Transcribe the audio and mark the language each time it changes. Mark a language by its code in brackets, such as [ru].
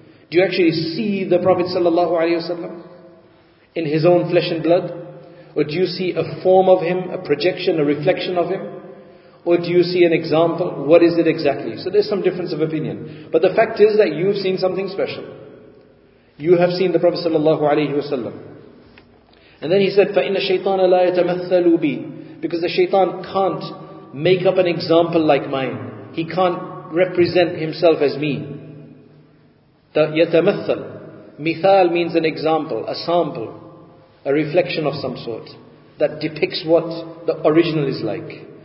[en] Do you actually see the Prophet sallallahu alayhi wasallam in his own flesh and blood? Or do you see a form of him, a projection, a reflection of him? Or do you see an example? What is it exactly? So there's some difference of opinion. But the fact is that you've seen something special. You have seen the Prophet sallallahu alayhi wa sallam. And then he said, [ar] فَإِنَّ الشَّيْطَانَ لَا يَتَمَثَّلُ بِي. [en] Because the shaitan can't make up an example like mine. He can't represent himself as me. [ar] يَتَمَثَّل. [en] مِثَال means an example, a sample, a reflection of some sort that depicts what the original is like.